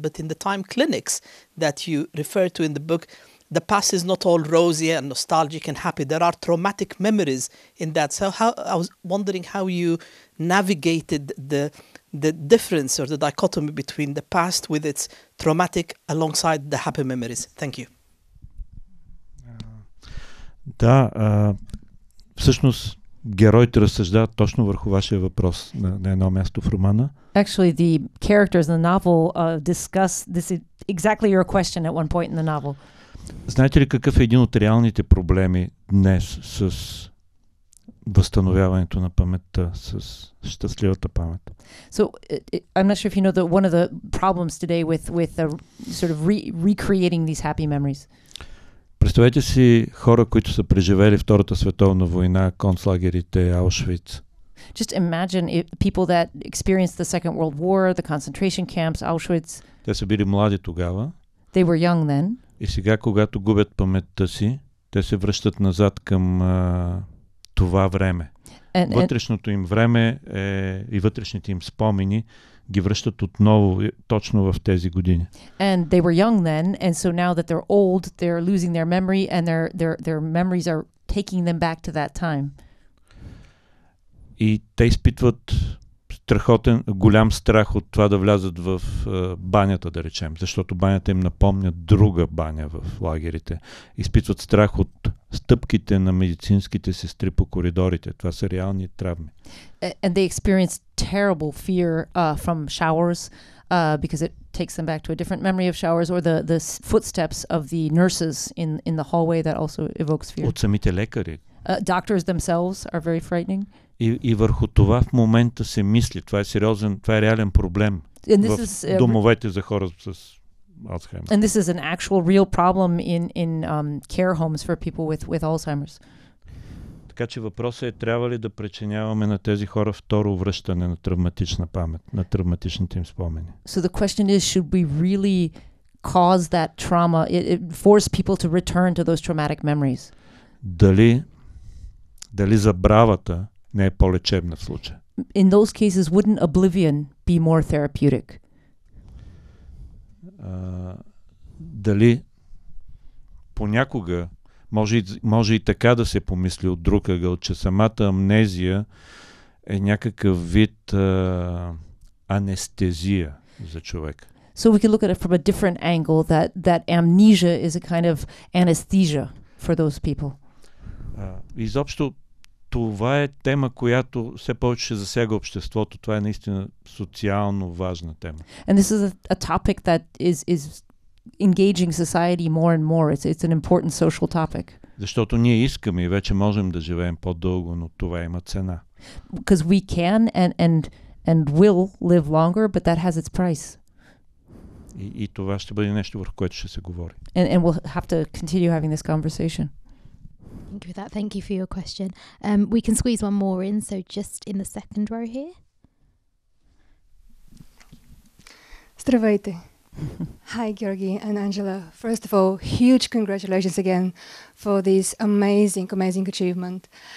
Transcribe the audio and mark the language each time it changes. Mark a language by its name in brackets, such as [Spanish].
[English] But in the time clinics that you refer to in the book, the past is not all rosy and nostalgic and happy. There are traumatic memories in that. So how, I was wondering how you navigated the difference or the dichotomy between the past with its traumatic alongside the happy memories. Thank you. [Bulgarian] Да, всъщност героите разсъждават точно върху вашия въпрос на едно място в романа. [English] Actually, the characters in the novel discuss this exactly your question at one point in the novel. [Bulgarian] Знаете ли какъв е един от реалните проблеми днес с възстановяването на паметта, с щастливата памет? [English] So I'm not sure if you know that one of the problems today with the sort of recreating these happy memories. [Bulgarian] Представете си хора, които са преживели Втората световна война, концлагерите, Аушвиц. [English] Just imagine if people that experienced the Second World War, the concentration camps, Auschwitz. [Bulgarian] Те са били млади тогава. [English] They were young then. [Bulgarian] И сега, когато губят паметта си, те се връщат назад към това време. Вътрешното им време е, и вътрешните им спомени ги връщат отново точно в тези години. [English] And they were young then, and so now that they're old, they're losing their memory, and their memories are taking them back to that time. [Bulgarian] И те изпитват страхотен, голям страх от това да влязат в банята, да речем, защото банята им напомня друга баня в лагерите. Изпитват страх от стъпките на медицинските сестри по коридорите. Това са реални травми. [English] And they experience terrible fear from showers because it takes them back to a different memory of showers, or the footsteps of the nurses in the hallway that also evokes fear. [Bulgarian] От самите лекари. [English] Doctors themselves are very frightening. [Bulgarian] И върху това в момента се мисли. Това е сериозен, това е реален проблем в домовете за хора с Alzheimer's. [English] And this is an actual real problem in care homes for people with Alzheimer's. [Bulgarian] Така че въпросът е, трябва ли да причиняваме на тези хора второ връщане на травматична памет, на травматичните им спомени? [English] So the question is, should we really cause that trauma, it force people to return to those traumatic memories? [Bulgarian] Дали забравата не е по-лечебна в случая? [English] In those cases, wouldn't oblivion be more therapeutic? [Bulgarian] Дали понякога може и така да се помисли от друг ъгъл, че самата амнезия е някакъв вид анестезия за човек. [English] So we can look at it from a different angle, that amnesia is a kind of anesthesia for those people. [Bulgarian] Изобщо това е тема, която все повече ще засяга обществото. Това е наистина социално важна тема. [English] And this is a topic that is engaging society more and more. It's an important social topic. [Bulgarian] Защото ние искаме и вече можем да живеем по-дълго, но това има цена. [English] Because we can and will live longer, but that has its price. [Bulgarian] И това ще бъде нещо, върху което ще се говори. [English] And we'll have to continue having this conversation. Thank you for that. Thank you for your question. We can squeeze one more in, so just in the second row here. [Bulgarian] Здравейте. [English] Hi, Georgi and Angela. First of all, huge congratulations again for this amazing, amazing achievement.